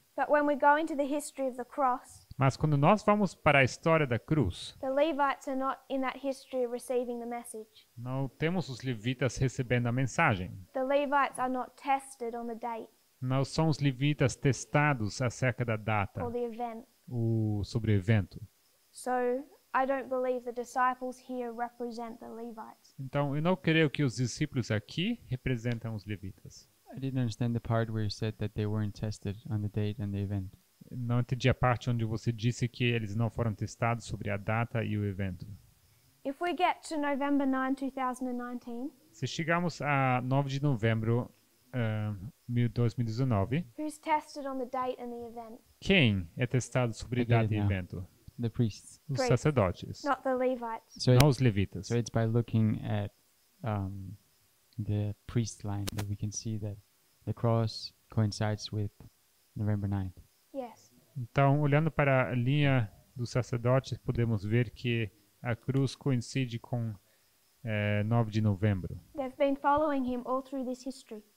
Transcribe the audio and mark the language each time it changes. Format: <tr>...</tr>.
<en>But when we go into the history of the cross,</en> <pt>mas quando nós vamos para a história da cruz,</pt> <en>the Levites are not in that history receiving the message.</en> <pt>Não temos os levitas recebendo a mensagem.</pt> <en>The Levites are not tested on the date.</en> <pt>Não são os levitas testados acerca da data.</pt> <en>Or the event.</en> <pt>Sobre o evento.</pt> <en>So, I don't believe the disciples here represent the Levites.</en> <pt>Então, eu não creio que os discípulos aqui representam os levitas.</pt> <en>I didn't understand the part where you said that they weren't tested on the date and the event.</en> <pt>Não entendi a parte onde você disse que eles não foram testados sobre a data e o evento.</pt> <en>If we get to November 9, 2019,</en> <pt>se chegarmos a 9 de novembro de 2019,</pt> <en>who's tested on the date and the event?</en> <pt>Quem é testado sobre</pt> <en>again,</en> <pt>a data e o evento?</pt> <en>The priests.</en> <pt>Os sacerdotes.</pt> <en>Not the Levites.</en> <pt>So não os levitas.</pt> <en>So it's by looking at the priest line that we can see that the cross coincides with November 9th. Yes.</en> <pt>Então, olhando para a linha dos sacerdotes, podemos ver que a cruz coincide com 9 de novembro.</pt> <en>They've been following him all through this history.</en>